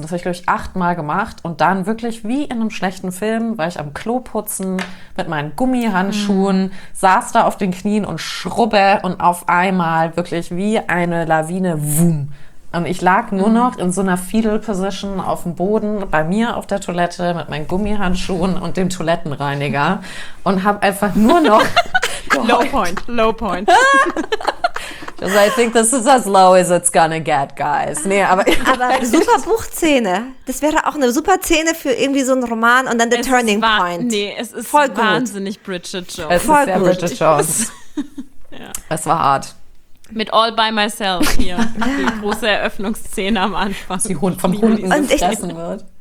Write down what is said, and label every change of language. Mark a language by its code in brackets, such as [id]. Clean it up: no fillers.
[de] Und das habe ich, glaube ich, 8-mal gemacht. Und dann wirklich wie in einem schlechten Film war ich am Klo putzen mit meinen Gummihandschuhen, saß da auf den Knien und schrubbe und auf einmal wirklich wie eine Lawine, wumm. Und ich lag nur noch in so einer Fetal Position auf dem Boden bei mir auf der Toilette mit meinen Gummihandschuhen und dem Toilettenreiniger und habe einfach nur noch [en] Low point. Because I think this is as low as it's gonna get, guys. [de] Nee, aber super Buchszene. Das wäre auch eine super Szene für irgendwie so einen Roman und dann [en] the turning point. [de] Nee, es ist voll wahnsinnig gut. Bridget Jones. Es voll ist sehr gut. Bridget Jones. Es war hart. Mit All By Myself hier. Die große Eröffnungsszene am Anfang. Die Hund vom Hund gefressen wird.